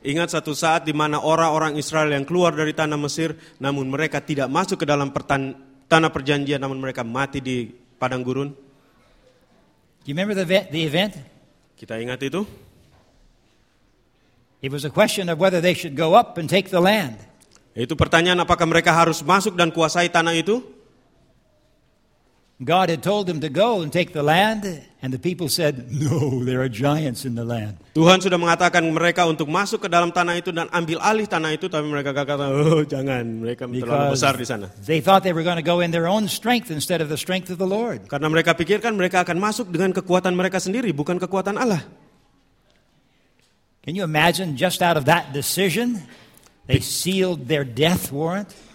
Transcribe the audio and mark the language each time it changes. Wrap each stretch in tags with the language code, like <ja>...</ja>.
<id>Ingat satu saat di mana orang-orang Israel yang keluar dari tanah Mesir, namun mereka tidak masuk ke dalam tanah perjanjian, namun mereka mati di padang gurun.</id> <en>Do you remember the event?</en> <id>Kita ingat itu?</id> <en>It was a question of whether they should go up and take the land.</en> <id>Itu pertanyaan apakah mereka harus masuk dan kuasai tanah itu?</id> <en>God had told them to go and take the land, and the people said, "No, there are giants in the land."</en> <id>Tuhan sudah mengatakan mereka untuk masuk ke dalam tanah itu dan ambil alih tanah itu, tapi mereka berkata, "Oh, jangan, mereka terlalu besar di sana."</id> <en>They thought they were going to go in their own strength instead of the strength of the Lord.</en> <id>Karena mereka pikirkan mereka akan masuk dengan kekuatan mereka sendiri, bukan kekuatan Allah.</id> <en>Can you imagine just out of that decision, they sealed their death warrant?</en>